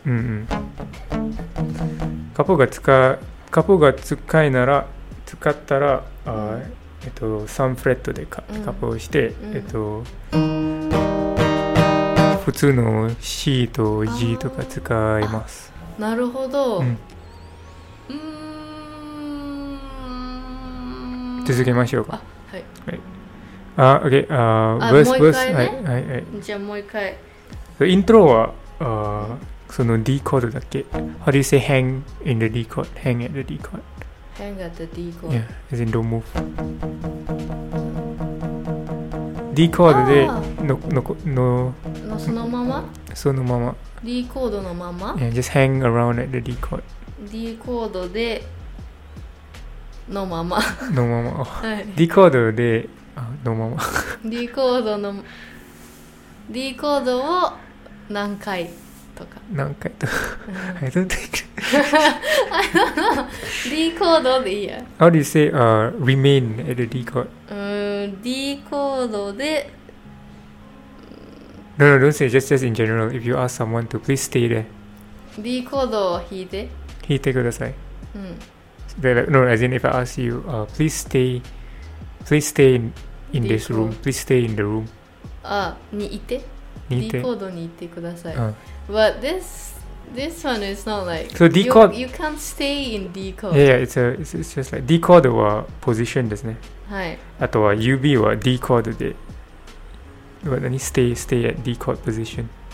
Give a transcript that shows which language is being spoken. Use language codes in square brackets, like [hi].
[ja] うんうん、カポが使いなら、使ったら、あ、うん、3フレットで カポをして、うん、普通の C と G とか使います。なるほど、うん、続けましょうか。あ、はい、はい、あ、OK、 あ、もう一回ね、はいはいはい、じゃあもう一回、イントロは、あ、その D コードだっけ。 [en] How do you say hang in the D chord? Hang at the D chord? Hang at the D chord? Yeah, as in don't move. [ja] D コードでそのまま、そのまま D コードのまま、 [en] Yeah, just hang around at the D chord. [ja] D コードでのまま、のまま、はい、 D コードで、あ、のまま、 D コードの、 D コードを何回とか、何回とか、うん、 [en] I don't think I don't know. [ja] D コードでいいや。 [en] How do you say、remain at the D chord? [ja] D コードで、 [en] No, no, don't say, just in general. If you ask someone to please stay there. [ja] D コードを弾いて、弾いてください、うん。 [en] Like, no, as in if I ask you, please stay in this room. Please stay in the room. [ja] Ah, にいて。にいて。 D コードにいてください。うん、 [en] but this one is not like. So D chord. You can't stay in D chord. Yeah, it's just like D chord は position ですね。 [ja] はい。あとは UB は D chord で。 [en] But then stay at D chord position.